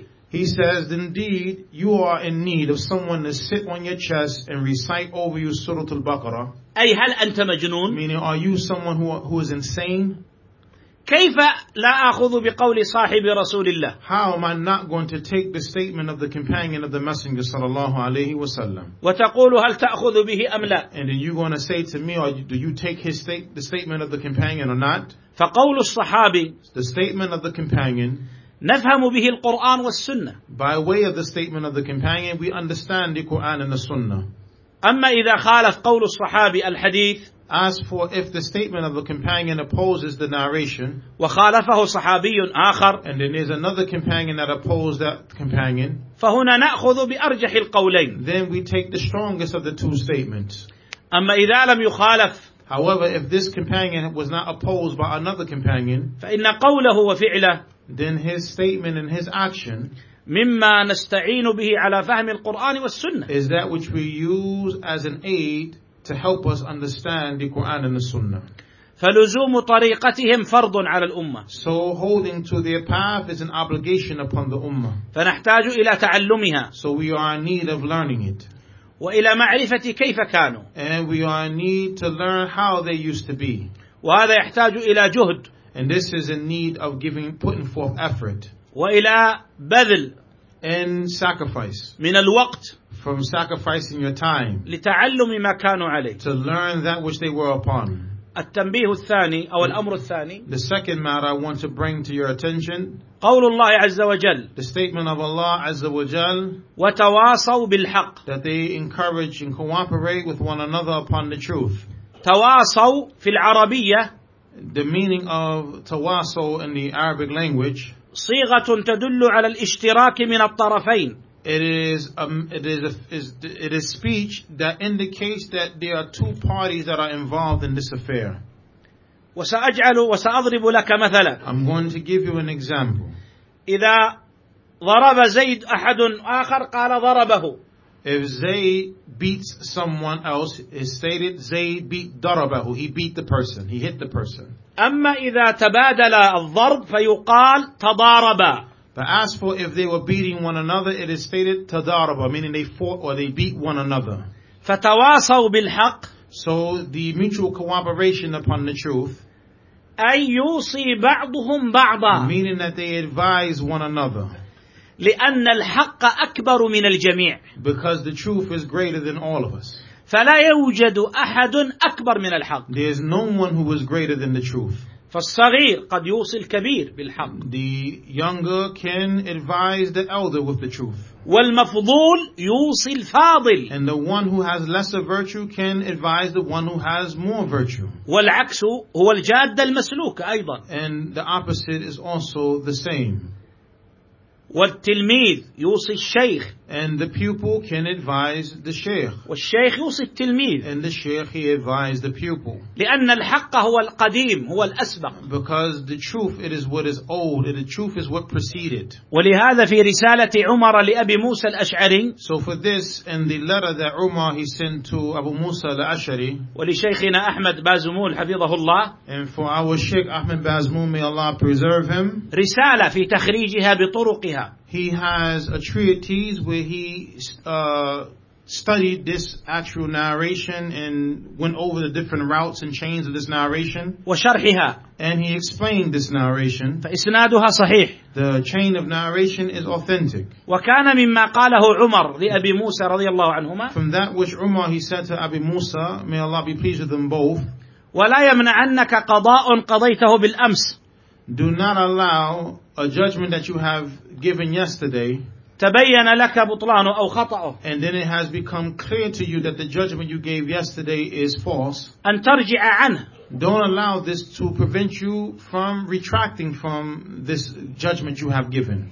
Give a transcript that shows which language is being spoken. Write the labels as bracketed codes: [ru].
[en] He says, indeed, you are in need of someone to sit on your chest and recite over you Surah Al-Baqarah. [ar] أي هل أنت مجنون؟ [en] Meaning, are you someone who is insane? [ar] كيف لا أخذ بقول صاحب رسول الله؟ [en] How am I not going to take the statement of the companion of the Messenger [ar] صلى الله عليه وسلم؟ وتقول هل تأخذ به أم لا؟ [en] And then you're going to say to me, or do you take his the statement of the companion or not? [ar] فقول الصحابي, [en] the statement of the companion, [ar] نفهم به القرآن والسنة. [en] By way of the statement of the companion, we understand the Quran and the Sunnah. [ar] أما إذا خالف قول الصحابي الحديث, [en] as for if the statement of a companion opposes the narration, [ar] وخالفه صحابي آخر, [en] and then there's another companion that opposes that companion, [ar] فهنا نأخذ بأرجح القولين, [en] then we take the strongest of the two statements. [ar] أما إذا لم يخالف, [en] however, if this companion was not opposed by another companion, [ar] فإن قوله وفعله, [en] then his statement and his action, [ar] مما نستعين به على فهم القرآن والسنة, [en] is that which we use as an aid to help us understand the Quran and the Sunnah. [ar] فلزوم طريقتهم فرض على الأمة. [en] So holding to their path is an obligation upon the Ummah. [ar] فنحتاج إلى تعلمها. [en] So we are in need of learning it. [ar] وإلى معرفة كيف كانوا. [en] And we are in need to learn how they used to be. [ar] وهذا يحتاج إلى جهد. [en] And this is in need of giving, putting forth effort. [ar] وإلى بذل. [en] And sacrifice. [ar] من الوقت. [en] From sacrificing your time. [ar] لتعلم ما كانوا عليه. [en] To learn that which they were upon. [ar] التنبيه الثاني أو الأمر الثاني. [en] The second matter I want to bring to your attention. [ar] قول الله عز وجل. [en] The statement of Allah [ar] عز وجل. وتواصوا بالحق. [en] That they encourage and cooperate with one another upon the truth. [ar] تواصوا في العربية. [en] The meaning of تواصوا in the Arabic language. [ar] صيغة تدل على الاشتراك من الطرفين. [en] It is speech that indicates that there are two parties that are involved in this affair. [ar] وسأجعل وسأضرب لك مثلا. [en] I'm going to give you an example. [ar] إذا ضرب زيد أحد آخر قال ضربه. [en] If Zayd beats someone else, it's stated Zayd beat ضربه. He beat the person. He hit the person. [ar] أما إذا تبادل الضرب فيقال تضاربا. [en] But as for if they were beating one another, it is stated tadaraba, meaning they fought or they beat one another. [ar] فتواصوا بالحق. [en] So the mutual cooperation upon the truth. [ar] أي يوصي بعضهم بعضا. [en] Meaning that they advise one another. [ar] لأن الحق أكبر من الجميع. [en] Because the truth is greater than all of us. [ar] فلا يوجد أحد أكبر من الحق. [en] There is no one who is greater than the truth. [ar] فالصغير قد يوصي الكبير بالحق. [en] The younger can advise the elder with the truth. [ar] والمفضول يوصي الفاضل. [en] And the one who has lesser virtue can advise the one who has more virtue. [ar] والعكس هو الجادة المسلوكة أيضا. [en] And the opposite is also the same. [ar] والتلميذ يوصي الشيخ. [en] And the pupil can advise the sheikh. [ar] والشيخ يوصي التلميذ. [en] And the sheikh, he advised the pupil. [ar] لأن الحق هو القديم هو الأسبق. [en] Because the truth, it is what is old. The truth is what preceded. [ar] ولهذا في رسالة عمر لأبي موسى الأشعري. [en] So for this, in the letter that Umar he sent to Abu Musa al-Ash'ari. [ar] ولشيخنا أحمد بازمول حفظه الله. [en] And for our Sheikh Ahmed Bazmoul, may Allah preserve him. [ar] رسالة في تخريجها بطرقها. [en] He has a treatise where he studied this actual narration and went over the different routes and chains of this narration. [ar] وشرحها. [en] And he explained this narration. [ar] فإسنادها صحيح. [en] The chain of narration is authentic. [ar] وكان مما قاله عمر لأبي موسى رضي الله عنهما. [en] From that which Umar he said to Abi Musa, may Allah be pleased with them both. [ar] ولا يمنعنك قضاء قضيته بالأمس. [en] Do not allow a judgment that you have given yesterday. [ar] تبين لك بطلانه أو خطأه. [en] And then it has become clear to you that the judgment you gave yesterday is false. [ar] أن ترجع عنه. [en] Don't allow this to prevent you from retracting from this judgment you have given.